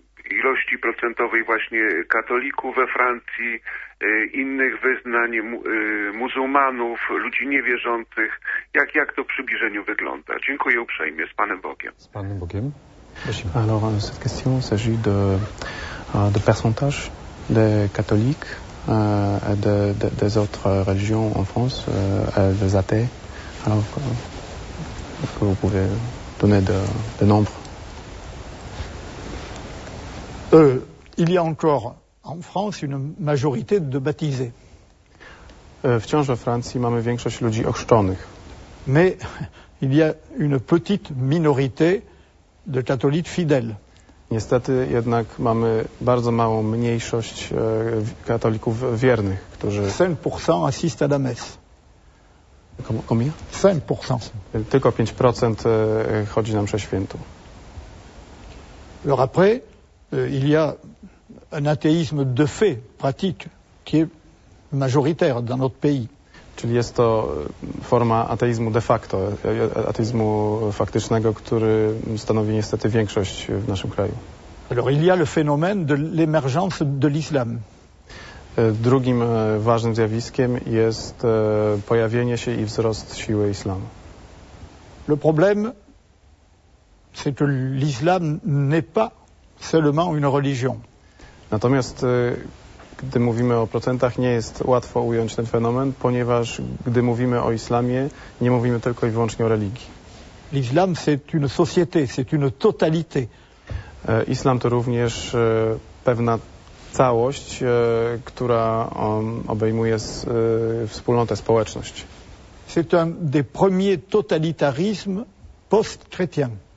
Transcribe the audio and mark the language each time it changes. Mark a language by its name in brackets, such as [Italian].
[Polish] ilości procentowej właśnie katolików we Francji, innych wyznań, muzułmanów, ludzi niewierzących. Jak to w przybliżeniu wygląda? Dziękuję uprzejmie. Z Panem Bogiem. Z Panem Bogiem. Prosimy. [French] Alors, cette question s'agit de pourcentage des catholiques et des autres religions en France, des athées. Alors, que vous pouvez donner de nombres? Il y a encore en France une majorité de baptisés. [Polish] Wciąż we Francji mamy większość ludzi ochrzczonych. [French] Mais il y a une petite minorité de catholiques fidèles. [Polish] Niestety jednak mamy bardzo małą mniejszość katolików wiernych, którzy [French] 5% assistent à la messe. Combien? 5%. [Polish] Tylko 5% chodzi na mszę świętą. [French] Alors après il y a un athéisme de fait, pratique, qui est majoritaire dans notre pays. [Polish] Czyli jest to forma ateizmu de facto, ateizmu faktycznego, który stanowi niestety większość w naszym kraju. [French] Alors il y a le phénomène de l'émergence de l'islam. [Polish] Drugim ważnym zjawiskiem jest pojawienie się i wzrost siły islamu. [French] Le problème, c'est que l'islam n'est pas seulement une religion. [Polish] Natomiast gdy mówimy o procentach, nie jest łatwo ująć ten fenomen, ponieważ gdy mówimy o islamie, nie mówimy tylko i wyłącznie o religii. [French] L'islam c'est une société, c'est une totalité. [Polish] Islam to również pewna całość, która obejmuje wspólnotę, społeczność. [French] C'est un des premiers totalitarismes post-chrétien.